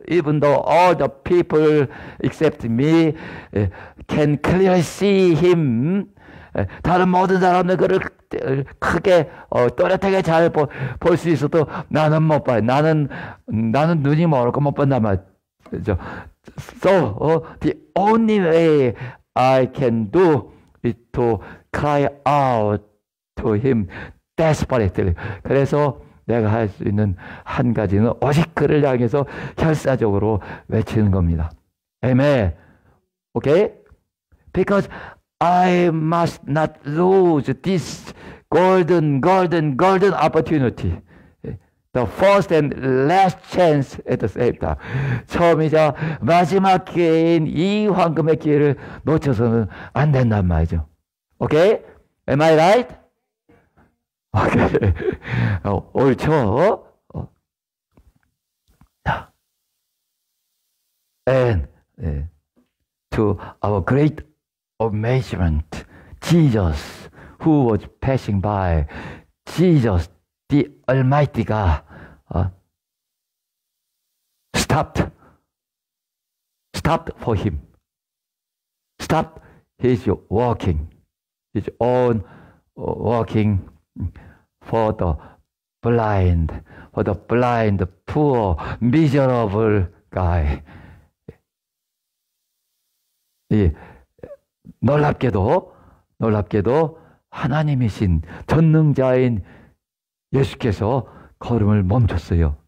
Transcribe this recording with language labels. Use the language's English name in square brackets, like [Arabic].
[English] Even though all the people except me can clearly see him. [Korean] 다른 모든 사람들 그를 크게 또렷하게 잘 볼 수 있어도 나는 못 봐요. 나는 눈이 멀고 못 본단 말이죠. [English] So the only way I can do is to cry out to him desperately. [Korean] 그래서 내가 할 수 있는 한 가지는 오직 그를 향해서 결사적으로 외치는 겁니다. [English] Amen. Okay? Because I must not lose this golden opportunity. The first and last chance at the same time. [Korean] 처음이자 마지막 기회인 이 황금의 기회를 놓쳐서는 안 된단 말이죠. [English] Okay? Am I right? Okay. [Korean] 옳죠? 자. [English] And to our great amazement, Jesus, who was passing by, Jesus, the Almighty God, stopped for him, stopped his walking, his own walking for the blind, poor, miserable guy. [Korean] 예. 놀랍게도 하나님이신 전능자인 예수께서 걸음을 멈췄어요.